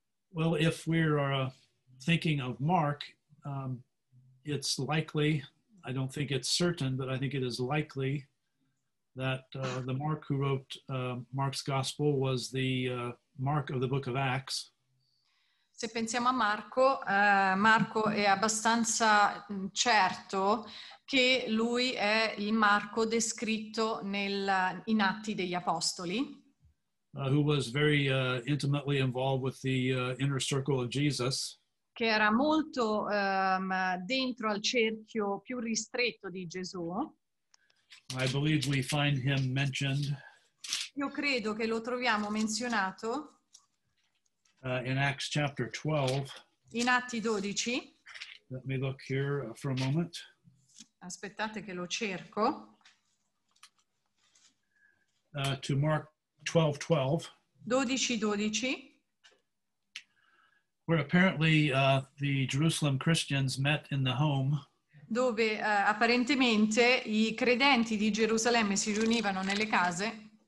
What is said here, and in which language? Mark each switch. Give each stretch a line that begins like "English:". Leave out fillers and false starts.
English: Well, if we're thinking of Mark, it's likely, I don't think it's certain, but I think it is likely that the Mark who wrote Mark's Gospel was the Mark of the Book of Acts.
Italian: Se pensiamo a Marco, Marco è abbastanza certo che lui è il Marco descritto in Atti degli Apostoli.
English: Who was very intimately involved with the inner circle of Jesus.
Italian: Che era molto dentro al cerchio più ristretto di Gesù.
English: I believe we find him mentioned.
Italian: Io credo che lo troviamo menzionato.
English: In Acts chapter 12.
Italian: In Atti 12.
English: Let me look here for a moment.
Italian: Aspettate che lo cerco.
English: To Mark 12:12.
Italian: 12:12.
English: Where apparently the Jerusalem Christians met in the home.
Italian: Dove apparentemente i credenti di Gerusalemme si riunivano nelle case.